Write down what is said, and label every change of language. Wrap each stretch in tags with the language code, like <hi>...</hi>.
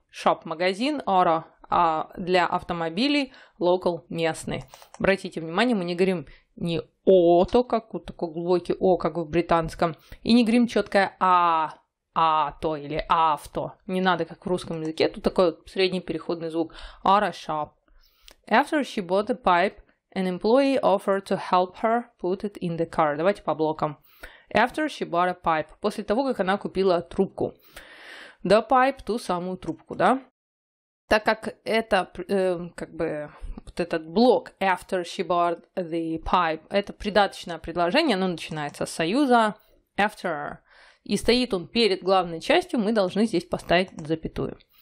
<ru>Shop, магазин, auto, а для автомобилей local, местный. Обратите внимание, мы не говорим не о, то как вот такой глубокий о, как в британском, и не говорим четкое а то или авто. Не надо, как в русском языке, тут такой вот средний переходный звук.</ru> <en>Auto shop. After she bought the pipe, an employee offered to help her put it in the car.</en> <ru>Давайте по блокам.</ru> <en>After she bought a pipe.</en> <ru>После того, как она купила трубку.</ru> <en>The pipe,</en> <ru>ту самую трубку, да? Так как это, как бы, вот этот блок</ru> <en>after she bought the pipe,</en> <ru>это придаточное предложение, оно начинается с союза after, и стоит он перед главной частью, мы должны здесь поставить запятую.</ru>